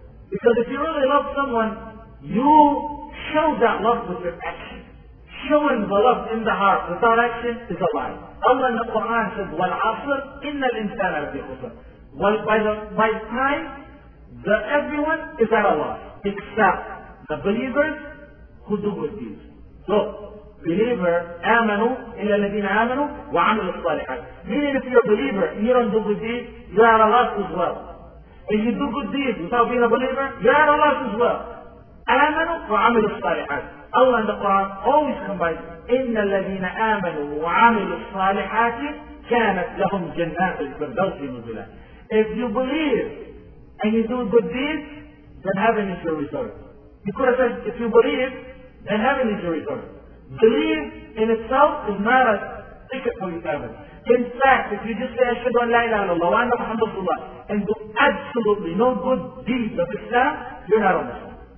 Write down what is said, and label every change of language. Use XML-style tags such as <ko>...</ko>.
<en>Because if you really love someone, you show that love with your action. Showing the love in the heart without action is a lie. Allah in the Quran says,</en> <ar>وَالْعَصْرِ إِنَّ الْإِنسَانَ لَفِي خُسْرٍ.</ar> <en>Well, by time, the everyone is at a loss, except the believers who do good deeds. So, believer,</en> <ar>آمنوا إِلَى الَّذِينَ آمَنُوا وَعَمِلُوا الصَّالِحَاتِ.</ar> <en>Meaning if you're a believer and you don't do good deeds, you're at a loss as well. If you do good deeds without being a believer, you're at a loss as well.</en> <ar>آمنوا وَعَمِلُوا الصَّالِحَاتِ.</ar> <en>Allah in the Quran always combines,</en> <ar>إِنَّ الَّذِينَ آمَنُوا وَعَمِلُوا الصَّالِحَاتِ كَانَتْ لَهُمْ جَنَّاتِ الْفِرْدَوْسِ نُزُلًا.</ar> <en>If you believe and you do good deeds, then heaven is your resort. You could have said, if you believe, then heaven is your resort. Belief in itself is not a ticket for you to heaven. In fact, if you just say,</en> <ar>أَشْهَدُ أَنْ لَا إِلَهَ إِلَّا اللَّهُ وَأَنَّ مُحَمَّدَ رَسُولُ اللَّهِ</ar> <en>and do absolutely no good deeds of Islam, you're not a Muslim.</en>